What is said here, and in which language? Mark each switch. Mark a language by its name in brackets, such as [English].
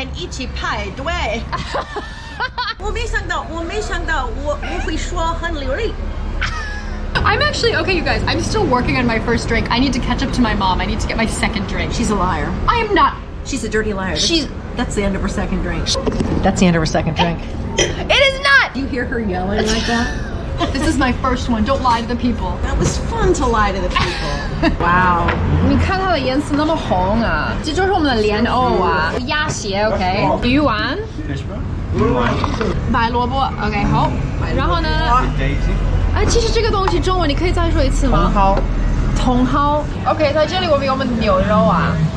[Chinese] 去排队，我没想到，我会说很流利。 [English] I'm actually okay, you guys. I'm still working on my first drink. I need to catch up to my mom. I need to get my second drink. She's a liar. I am not. She's a dirty liar. That's the end of her second drink. That's the end of her second drink. It is not. Do you hear her yelling like that? This is my first one. Don't lie to the people. That was fun to lie to the people. Wow. [Chinese] 你看它的颜色那么红啊！这就是我们的莲藕啊，鸭血 ，OK。鱼丸。白萝卜 ，OK， 好。然后呢？哎，其实这个东西中文你可以再说一次吗？茼蒿。茼蒿 ，OK， 在这里我们有我们的牛肉啊。